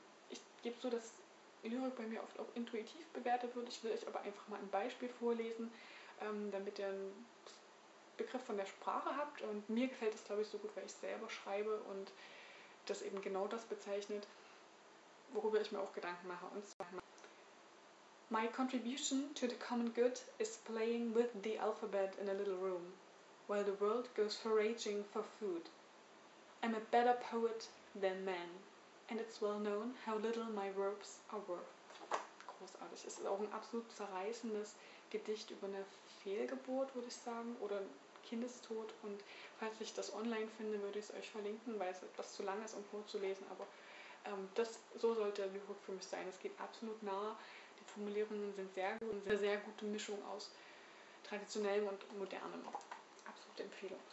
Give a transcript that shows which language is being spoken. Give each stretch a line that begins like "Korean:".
German: Ich gebe so, dass Lyrik bei mir oft auch intuitiv bewertet wird. Ich will euch aber einfach mal ein Beispiel vorlesen, damit ihr Begriff von der Sprache habt, und mir gefällt es, glaube ich, so gut, weil ich selber schreibe und das eben genau das bezeichnet, worüber ich mir auch Gedanken mache. Und zwar:
English: My contribution to the common good is playing with the alphabet in a little room, while the world goes foraging for food. I'm a better poet than man, and it's well known how little my verbs are worth.
German: Großartig. Es ist auch ein absolut zerreißendes Gedicht über eine Fehlgeburt, würde ich sagen, oder Kindestod. Und falls ich das online finde, würde ich es euch verlinken, weil es etwas zu lang ist, um vorzulesen. Aber so sollte Lyrik für mich sein. Es geht absolut nah. Die Formulierungen sind sehr gut und eine sehr gute Mischung aus traditionellem und modernem. Absolute Empfehlung.